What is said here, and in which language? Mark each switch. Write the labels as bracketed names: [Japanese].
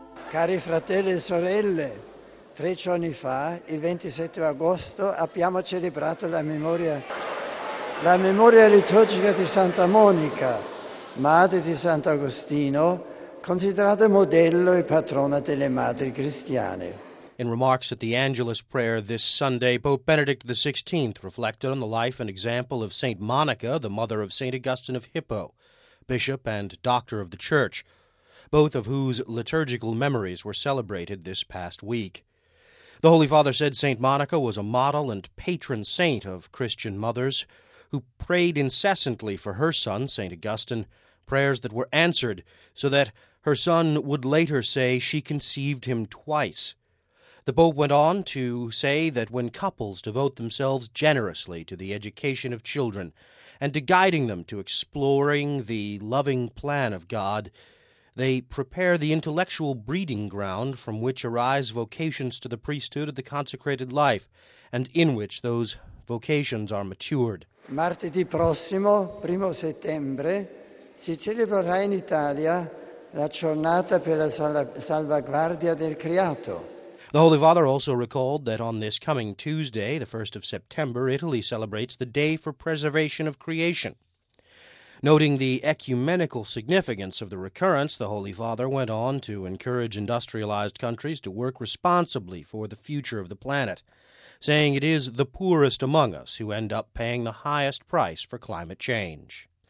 [Italian] Cari fratelli e sorelle, 3 giorni fa, il 27 agosto, abbiamo celebrato la memoria liturgica di Santa Monica, madre di Sant'Agostino, considerata modello e patrona delle madri cristiane. [English] In remarks at the Angelus prayer this Sunday, Pope Benedict XVI reflected on the life and example of Saint Monica, the mother of Saint Augustine of Hippo, bishop and doctor of the Church, both of whose liturgical memories were celebrated this past week. The Holy Father said Saint Monica was a model and patron saint of Christian mothers who prayed incessantly for her son, Saint Augustine, prayers that were answered so that her son would later say she conceived him twice. The Pope went on to say that when couples devote themselves generously to the education of children and to guiding them to exploring the loving plan of God, they prepare the intellectual breeding ground from which arise vocations to the priesthood of the consecrated life and in which those vocations are matured. [Italian] Martedì prossimo, 1° settembre, si celebrerà in Italia la giornata per la salvaguardia del creato. [English] The Holy Father also recalled that on this coming Tuesday, the 1st of September, Italy celebrates the Day for Preservation of Creation. Noting the ecumenical significance of the recurrence, the Holy Father went on to encourage industrialized countries to work responsibly for the future of the planet, saying it is the poorest among us who end up paying the highest price for climate change.